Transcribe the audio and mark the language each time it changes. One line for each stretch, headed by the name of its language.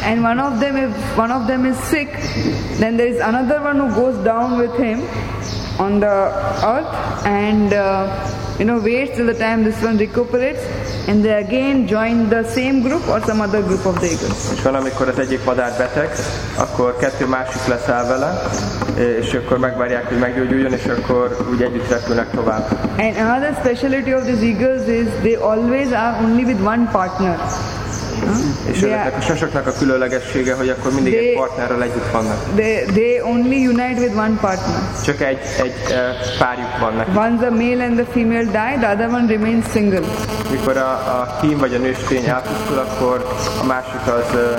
English: And one of them is sick, then there is another one who goes down with him on the earth and waits till the time this one recuperates. and they again join the same group or some other group of the eagles.
Hungarian: És van, amikor az egyik vadár beteg, akkor kettő másik leszáll vele, és akkor megvárják, hogy meggyógyuljon, és akkor úgy együtt repülnek tovább.
English: And another speciality of these eagles is they always are only with one partner.
Hungarian: És ezeknek a sasoknak a különlegessége, hogy akkor mindig egy partnerrel együtt vannak.
English: They only unite with one partner.
Hungarian: Csak egy párjuk van nekik.
English: Once the male and the female die, the other one remains single.
Hungarian: Mikor a kín vagy a nőstény elpusztul, akkor a másik az